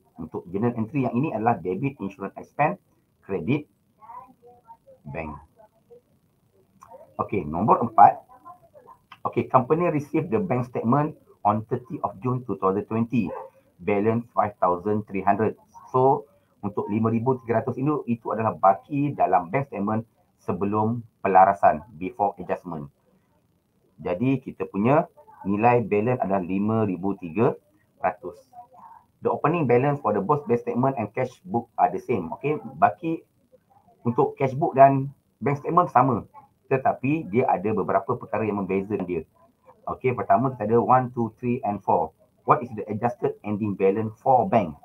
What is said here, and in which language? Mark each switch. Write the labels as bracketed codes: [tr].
[ms] Untuk journal entry yang ini adalah debit, insurance expense, credit bank. Okey, nombor 4. [en] Okey, company received the bank statement on 30 of June 2020. [ms] Balance 5,300. So, untuk 5,300 itu adalah baki dalam bank statement sebelum pelarasan, [en] before adjustment. [ms] Jadi kita punya nilai balance adalah 5,300. [en] The opening balance for the both bank statement and cash book are the same. [ms] Okay, baki untuk cash book dan bank statement sama. Tetapi dia ada beberapa perkara yang membeza dia. Okay, pertama kita ada 1, 2, 3 and 4. [en] What is the adjusted ending balance for bank?